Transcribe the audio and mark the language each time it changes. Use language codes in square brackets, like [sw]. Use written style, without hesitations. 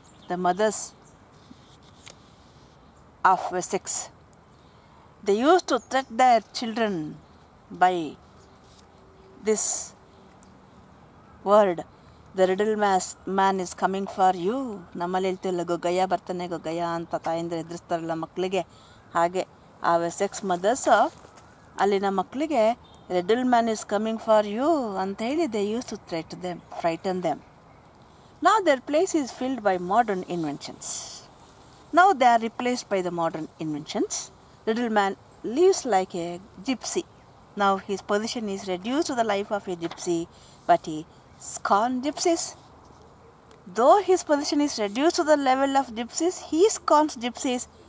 [en] The mothers of Wessex, they used to threat their children by this word, the riddle man is coming for you. [kn] ನಮ್ಮಲ್ಲಿ ಹೇಳ್ತಿಲ್ಲ ಗೊಗ್ಗಯ್ಯ ಬರ್ತಾನೆ ಗೊಗ್ಗಯ್ಯ ಅಂತ ತಾಯಿಂದ್ರೆ ಎದುರಿಸ್ತಾರಲ್ಲ ಮಕ್ಕಳಿಗೆ, ಹಾಗೆ ಆ Wessex mothers ಅಲ್ಲಿನ ಮಕ್ಕಳಿಗೆ [en] riddle man is coming for you [kn] ಅಂತ ಹೇಳಿ [en] They use to threat them, frighten them. Now their place is filled by modern inventions. Now they are replaced by the modern inventions. Little man lives like a gypsy. Now his position is reduced to the life of a gypsy, but he scorns gypsies. Though his position is reduced to the level of gypsies, he scorns gypsies.